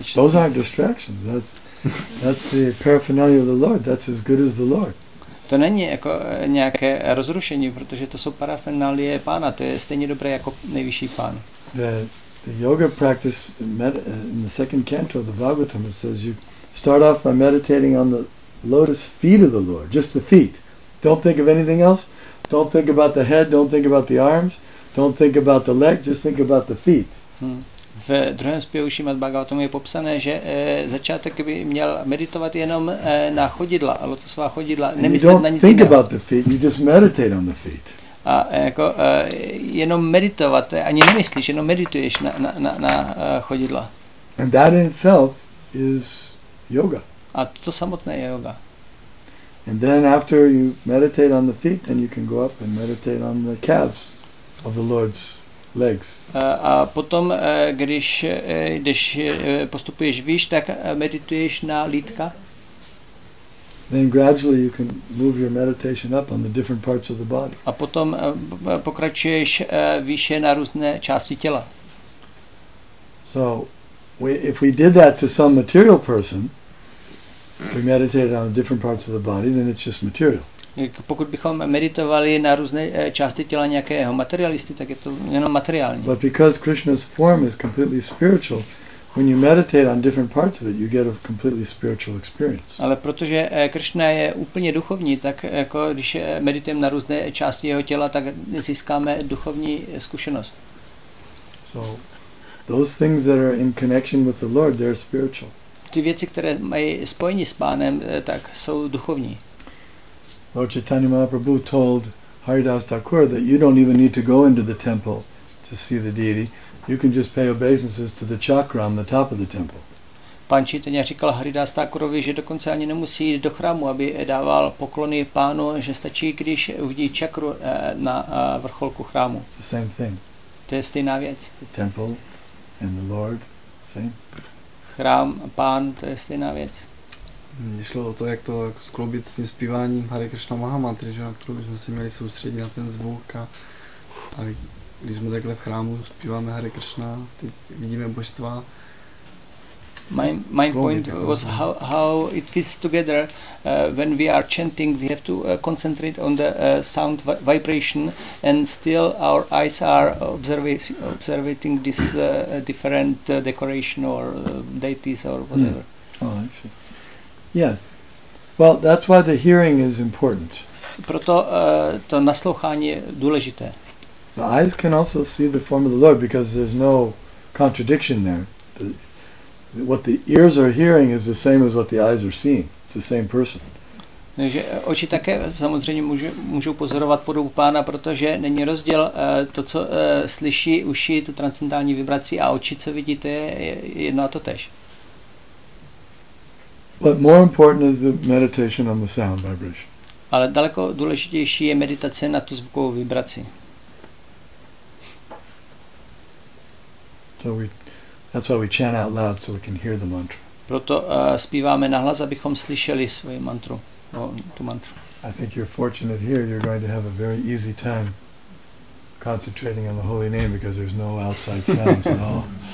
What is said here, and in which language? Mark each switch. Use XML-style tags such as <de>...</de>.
<en>Those aren't distractions, that's the paraphernalia of the Lord, that's as good as the Lord.</en> <cs>To není jako nějaké rozrušení, protože to jsou parafernálie pána, to je stejně dobré jako nejvyšší pán.</cs> <en>The yoga practice in the second canto of the Bhagavatam, it says you start off by meditating on the lotus feet of the Lord, just the feet. Don't think of anything else. Don't think about the head, don't think about the arms, don't think about the leg, just think about the feet.</en> <cs>V druhém zpěvu Šrímad Bhagavatam je popsané, že začátek by měl meditovat jenom na chodidla, lotosová chodidla, nemyslet na nic jiného.</cs> <en>About the feet, you just meditate on the feet.</en> <cs>A jako jenom meditovat, ani nemyslíš, jenom medituješ na chodidla.</cs> <en>And that in itself is yoga.</en> <cs>A to samotné je yoga.</cs> <en>And then after you meditate on the feet, then you can go up and meditate on the calves of the Lord's legs.</en> <cs>A potom, když jdeš, postupuješ výš, tak medituješ na lítka.</cs> <en>Then gradually you can move your meditation up on the different parts of the body.</en> <cs>A potom pokračuješ výše na různé části těla.</cs> <en>So, if we did that to some material person, we meditated on the different parts of the body, then it's just material.</en> <cs>Pokud bychom meditovali na různé části těla nějakého materialisty, tak je to jenom materiální.</cs> <en>But because Krishna's form is completely spiritual, when you meditate on different parts of it, you get a completely spiritual experience.</en> <cs>Ale protože Krishna je úplně duchovní, tak jako když meditujeme na různé části jeho těla, tak získáme duchovní zkušenost.</cs> <en>So, those things that are in connection with the Lord, they're spiritual.</en> <cs>Ty věci, které mají spojení s Pánem, tak jsou duchovní.</cs> <en>Lord Chaitanya Mahaprabhu told Haridas Thakur that you don't even need to go into the temple to see the deity. You can just pay obeisances to the chakra on the top of the temple.</en> <cs>Pan Chaitanya říkal Haridas Thakurovi, že dokonce ani nemusí jít do chrámu, aby dával poklony Pánu, že stačí, když uvidí čakru na vrcholku chrámu.</cs> <en>It's the same thing.</en> <cs>To je stejná věc.</cs> <en>The temple and the Lord, same.</en> <cs>Chrám, Pán, to je stejná věc. Mně šlo o to, jak to skloubit s tím zpíváním Hare Krishna Mahamantry, na kterou bychom se měli soustředit na ten zvuk a když jsme takhle v chrámu zpíváme Hare Krishna, vidíme božstva.</cs> <en>My point was how it fits together when we are chanting, we have to concentrate on the sound vibration and still our eyes are observing this different decoration or deities or whatever. Yes. Well, that's why the hearing is important.</en> <cs>Proto to naslouchání je důležité.</cs> <en>The eyes can also see the form of the Lord because there's no contradiction there. What the ears are hearing is the same as what the eyes are seeing. It's the same person.</en> <cs>Takže oči také samozřejmě můžou pozorovat podobu Pána, protože není rozdíl to, co slyší uši, tu transcendentální vibraci a oči, co vidí, to je jedno a to tež.</cs> <en>But more important is the meditation on the sound vibration.</en> <cs>Ale daleko důležitější je meditace na tu zvukovou vibraci.</cs> <en>So that's why we chant out loud so we can hear the mantra.</en> <cs>Proto zpíváme nahlas, abychom slyšeli svoji mantru, tu mantru.</cs> <en>I think you're fortunate here, you're going to have a very easy time concentrating on the holy name because there's no outside sounds at all.</en>